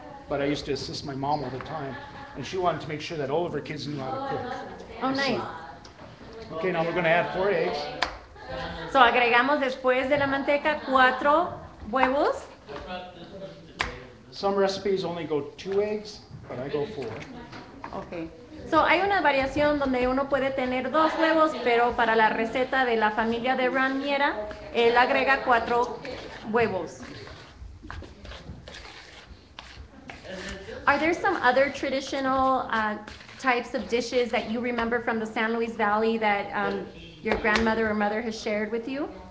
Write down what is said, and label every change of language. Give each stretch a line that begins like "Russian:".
English: But I used to assist my mom all the time. And she wanted to make sure that all of her kids knew how to cook. Oh, nice. Okay, now we're going to add 4 eggs.
Spanish: So, agregamos después de la manteca 4 huevos.
English: Some recipes only go 2 eggs, but I go 4. Okay.
Spanish: So, hay una variación donde uno puede tener 2 huevos, pero para la receta de la familia de Ramiera, él agrega 4 huevos.
English: Are there some other traditional types of dishes that you remember from the San Luis Valley that your grandmother or mother has shared with you?